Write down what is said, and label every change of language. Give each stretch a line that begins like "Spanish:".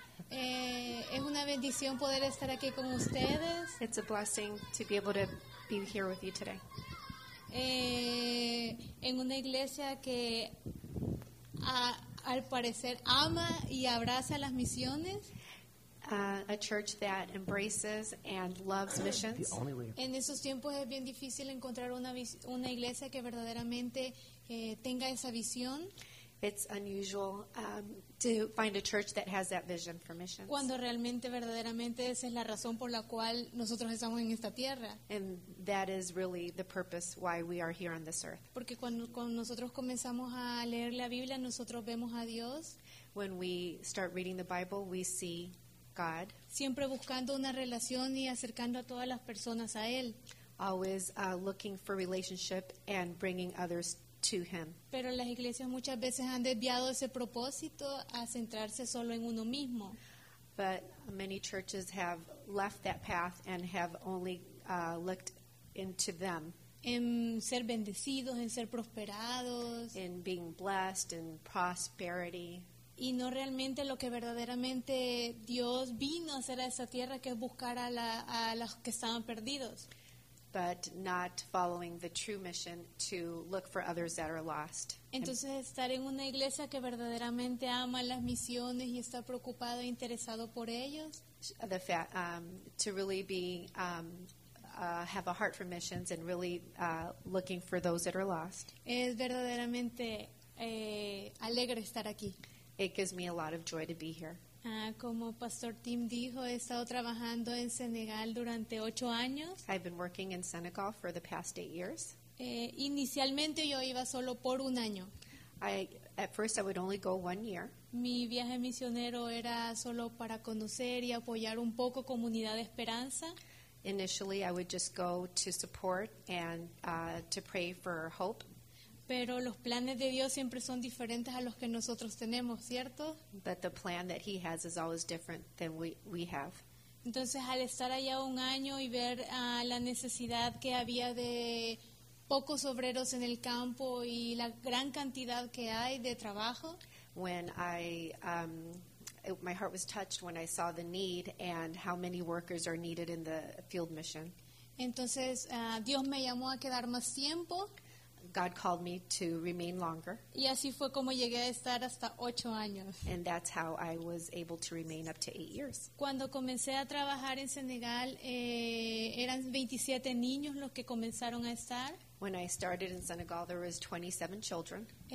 Spanish: Es una bendición poder estar aquí con ustedes.
English: It's a blessing to be able to be here with you today.
Spanish: En una iglesia que al parecer ama y abraza las misiones.
English: A church that embraces and loves missions.
Spanish: En esos tiempos es bien difícil encontrar una iglesia que verdaderamente tenga esa visión.
English: It's unusual to find a church that has that vision for missions.
Spanish: Cuando realmente verdaderamente esa es la razón por la cual nosotros estamos en esta tierra.
English: And that is really the purpose why we are here on this earth.
Spanish: Porque cuando nosotros comenzamos a leer la Biblia, nosotros vemos a Dios.
English: When we start reading the Bible, we see God,
Spanish: siempre buscando una relación y acercando a todas las personas a él.
English: Always looking for relationship and bringing others to him.
Spanish: Pero las iglesias muchas veces han desviado ese propósito a centrarse solo en uno mismo.
English: But many churches have left that path and have only looked into them.
Spanish: En ser bendecidos, en ser prosperados.
English: In being blessed and prosperity.
Spanish: Y no realmente lo que verdaderamente Dios vino a hacer a esa tierra, que es buscar a los que estaban perdidos.
English: But not following the true mission to look for others that are lost.
Spanish: Entonces estar en una iglesia que verdaderamente ama las misiones y está preocupado e interesado por ellos.
English: The fact, to really be have a heart for missions and really looking for those that are lost.
Spanish: Es verdaderamente alegre estar aquí.
English: It gives me a lot of joy to be here.
Spanish: Como Pastor Tim dijo, he estado trabajando en Senegal durante 8 años.
English: I've been working in Senegal for the past 8 years.
Spanish: Inicialmente yo iba solo por un año.
English: At first I would only go 1 year.
Spanish: Mi viaje misionero era solo para conocer y apoyar un poco Comunidad de Esperanza.
English: Initially I would just go to support and to pray for hope.
Spanish: Pero los planes de Dios siempre son diferentes a los que nosotros tenemos, ¿cierto?
English: But the plan that he has is always different than we have.
Spanish: Entonces, al estar allá un año y ver la necesidad que había de pocos obreros en el campo y la gran cantidad que hay de trabajo.
English: When I, my heart was touched when I saw the need and how many workers are needed in the field mission.
Spanish: Entonces, Dios me llamó a quedar más tiempo.
English: God called me to remain longer.
Spanish: Y así fue como llegué a estar hasta 8 años.
English: And that's how I was able to remain up to 8 years.
Spanish: Cuando comencé a trabajar en Senegal, eran 27 niños los que comenzaron a estar.
English: When I started in Senegal, there was 27 children.